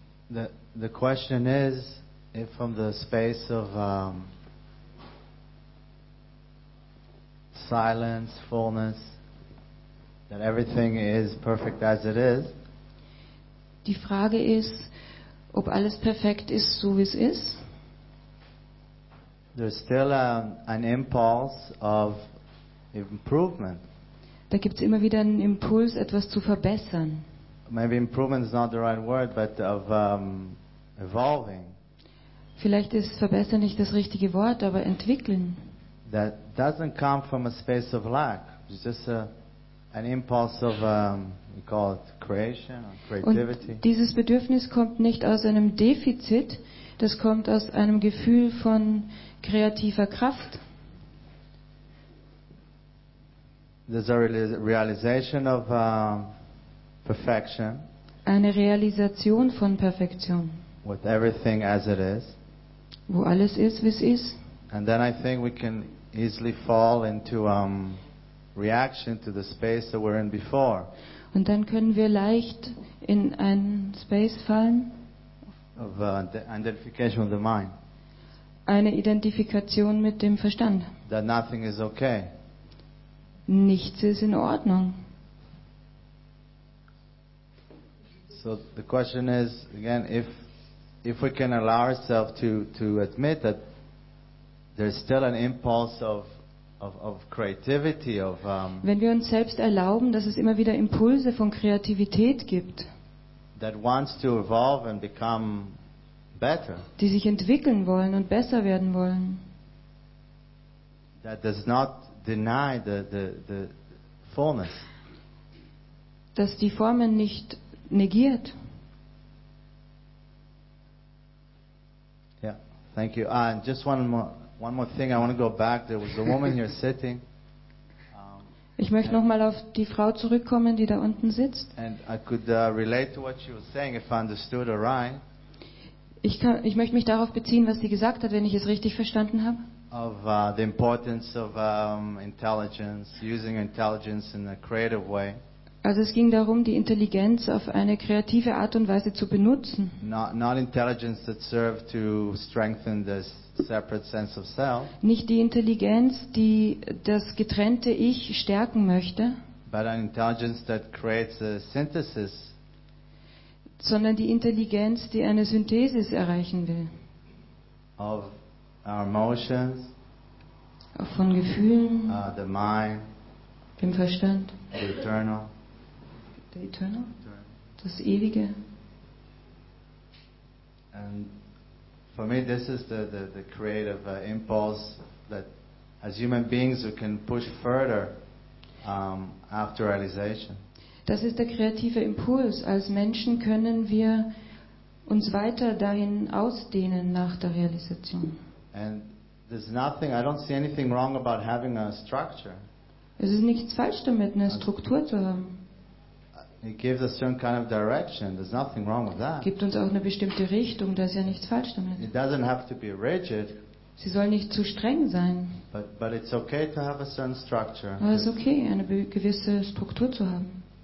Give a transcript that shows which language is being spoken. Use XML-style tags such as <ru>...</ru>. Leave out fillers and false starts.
<en>The question is, if from the space of silence, fullness, that everything is perfect as it is.</en> <de>Die Frage ist, ob alles perfekt ist, so wie es ist.</de> <en>There's still an impulse of improvement.</en> <de>Da gibt's immer wieder einen Impuls, etwas zu verbessern.</de> <en>Maybe improvement is not the right word, but of evolving.</en> <de>Vielleicht ist verbessern nicht das richtige Wort, aber entwickeln.</de> <en>That doesn't come from a space of lack. It's just an impulse of we call it creation or creativity.</en> <de>Und dieses Bedürfnis kommt nicht aus einem Defizit, das kommt aus einem Gefühl von kreativer Kraft.</de> <en>There's a realization of perfection.</en> <de>Eine Realisation von Perfektion.</de> <en>With everything as it is.</en> <de>Wo alles ist, wie es ist.</de> <en>And then I think we can easily fall into reaction to the space that we're in before.</en> <de>Und dann können wir leicht in einen Space fallen.</de> <en>Of identification with the mind.</en> <de>Eine Identifikation mit dem Verstand.</de> <en>That nothing is okay.</en> <de>Nichts ist in Ordnung.</de> <en>So the question is again, if we can allow ourselves to admit that there's still an impulse of creativity, of</en> <de>wenn wir uns selbst erlauben, dass es immer wieder Impulse von Kreativität gibt,</de> <en>that wants to evolve and become better,</en> <de>die sich entwickeln wollen und besser werden wollen,</de> <en>that does not deny the fullness,</en> <de>dass die Formen nicht negiert.</de> <en>Yeah, thank you. And just one more thing. I want to go back. There was a woman here sitting.</en> <de>Ich möchte noch mal auf die Frau zurückkommen, die da unten sitzt.</de> <en>And I could relate to what she was saying if I understood her right.</en> <de>Ich möchte mich darauf beziehen, was sie gesagt hat, wenn ich es richtig verstanden habe.</de> <en>Of the importance of intelligence, using intelligence in a creative way.</en> <de>Also es ging darum, die Intelligenz auf eine kreative Art und Weise zu benutzen.</de> <en>Not intelligence that served to strengthen the separate sense of self.</en> <de>Nicht die Intelligenz, die das getrennte Ich stärken möchte.</de> <en>But an intelligence that creates a synthesis.</en> <de>Sondern die Intelligenz, die eine Synthese erreichen will.</de> <en>Of our emotions.</en> <de>Von Gefühlen.</de> <en>The mind.</en> <de>Dem Verstand.</de> <en>The eternal.</en> <de>Eternal, das Ewige.</de> <en>And for me, this is the creative impulse that, as human beings, we can push further after realization.</en> <de>Das ist der kreative Impuls. Als Menschen können wir uns weiter dahin ausdehnen nach der Realisation.</de> <en>And there's nothing. I don't see anything wrong about having a structure.</en> <de>Es ist nichts falsch damit, eine Struktur zu haben.</de> <en>It gives a certain kind of direction. There's nothing wrong with that.</en> <de>Gibt uns auch eine bestimmte Richtung, da ist ja nichts falsch damit.</de> <en>It doesn't have to be rigid.</en> <de>Sie soll nicht zu streng sein.</de> <en>But it's okay to have a certain structure.</en> <de>Aber es ist okay, eine gewisse Struktur zu haben.</de>